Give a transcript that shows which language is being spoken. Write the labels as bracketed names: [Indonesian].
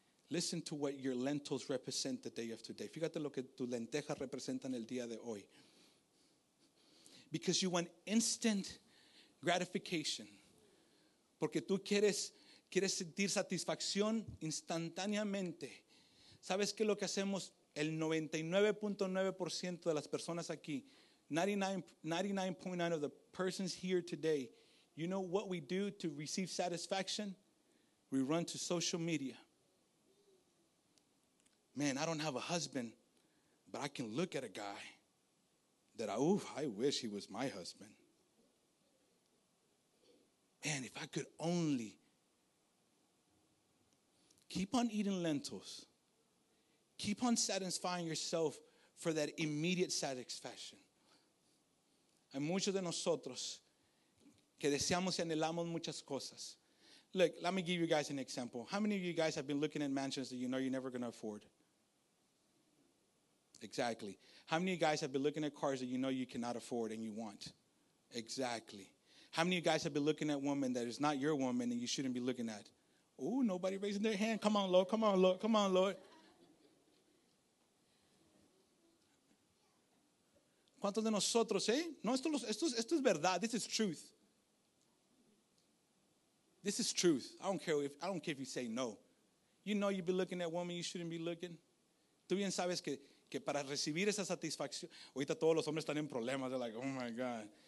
[English] Listen to what your lentils represent the day of today. [Spanish] Fíjate lo que tus lentejas representan el día de hoy. [English] Because you want instant gratification. [Spanish] Porque tú quieres sentir satisfacción instantáneamente. ¿Sabes qué es lo que hacemos? El 99.9% de las personas aquí, [English] 99.9% of the persons here today, you know what we do to receive satisfaction? We run to social media. Man, I don't have a husband, but I can look at a guy. I wish he was my husband. Man, if I could only keep on eating lentils, keep on satisfying yourself for that immediate satisfaction. [Spanish] Hay muchos de nosotros que deseamos y anhelamos muchas cosas. [English] Look, let me give you guys an example. How many of you guys have been looking at mansions that you know you're never going to afford? Exactly. How many of you guys have been looking at cars that you know you cannot afford and you want? Exactly. How many of you guys have been looking at women that is not your woman and you shouldn't be looking at? Oh, nobody raising their hand. Come on, Lord. Come on, Lord. Come on, Lord. [Spanish] ¿Cuántos de nosotros, eh? No, esto es verdad. [English] This is truth. This is truth. I don't care if you say no. You know you've been looking at women you shouldn't be looking. [Spanish] Tú bien sabes que para recibir esa satisfacción, ahorita todos los hombres están en problemas, [English] they're like, oh my God.